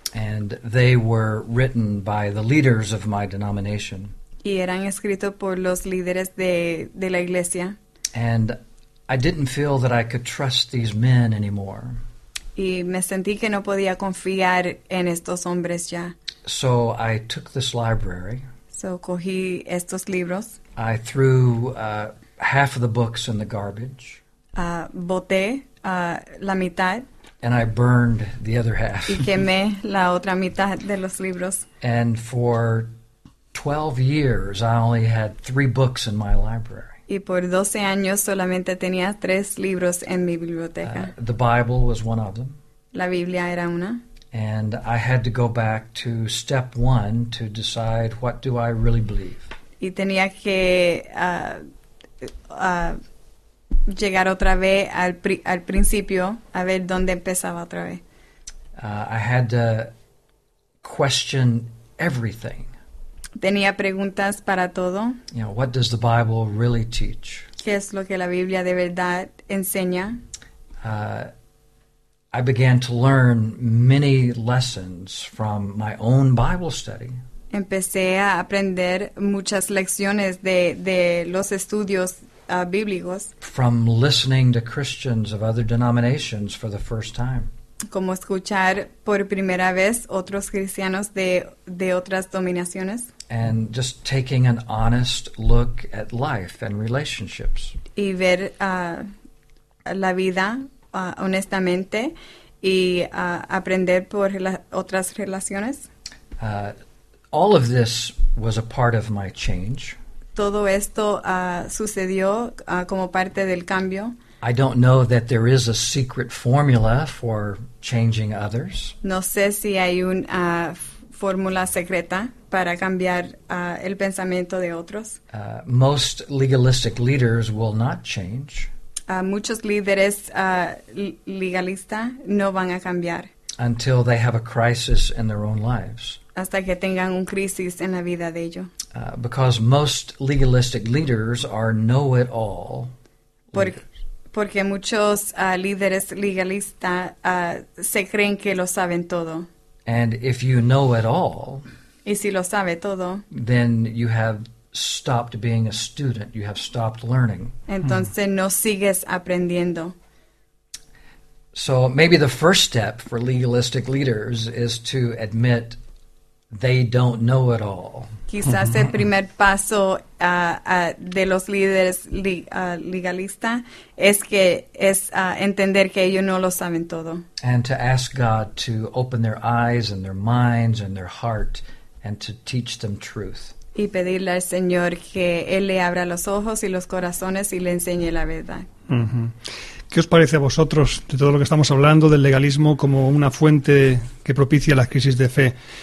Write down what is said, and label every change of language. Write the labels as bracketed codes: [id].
[en] And they were written by the leaders of my denomination. [es] Y eran escritos por los líderes de la iglesia. [en] And I didn't feel that I could trust these men anymore. [es] Y me sentí que no podía confiar en estos hombres ya. [en] So I took this library. [es] So cogí estos libros. [en] I threw half of the books in the garbage. [es] Boté la mitad. [en] And I burned the other half. [es] Y quemé la otra mitad de los libros. [en] And for 12 years, I only had 3 books in my library. [es] Y por 12 años solamente tenía 3 libros en mi biblioteca. [en] The Bible was one of them. [es] La Biblia era una. [en] And I had to go back to step one to decide what do I really believe. [es] Y tenía que llegar otra vez al principio a ver dónde empezaba otra vez. [en] I had to question everything. [es] Tenía preguntas para todo. [en] You know, what does the Bible really teach? [es] ¿Qué es lo que la Biblia de verdad enseña? [en] I began to learn many lessons from my own Bible study. [es] Empecé a aprender muchas lecciones de los estudios bíblicos. [en] From listening to Christians of other denominations for the first time. [es] Como escuchar por primera vez otros cristianos de otras denominaciones. [en] And just taking an honest look at life and relationships. [es] Y ver la vida honestamente y aprender por otras relaciones. [en] All of this was a part of my change. [es] Todo esto sucedió como parte del cambio. [en] I don't know that there is a secret formula for changing others. [es] No sé si hay una fórmula secreta para cambiar el pensamiento de otros. [en] Most legalistic leaders will not change. [es] Muchos líderes legalistas no van a cambiar. [en] Until they have a crisis in their own lives. [es] Hasta que tengan un crisis en la vida de ellos. [en] Because most legalistic leaders are know-it-all. [es] Porque muchos líderes legalistas se creen que lo saben todo. [en] And if you know it all, [es] y si lo sabe todo, [en] then you have stopped being a student. You have stopped learning. [es] Entonces no sigues aprendiendo. [en] So maybe the first step for legalistic leaders is to admit they don't know it all. [es] Quizás el primer paso de los líderes legalistas es entender que ellos no lo saben todo. [en] And to ask God to open their eyes and their minds and their heart and to teach them truth. [es] Y pedirle al Señor que Él le abra los ojos y los corazones y le enseñe la verdad. ¿Qué os parece a vosotros de todo lo que estamos hablando del legalismo como una fuente que propicia las crisis de fe?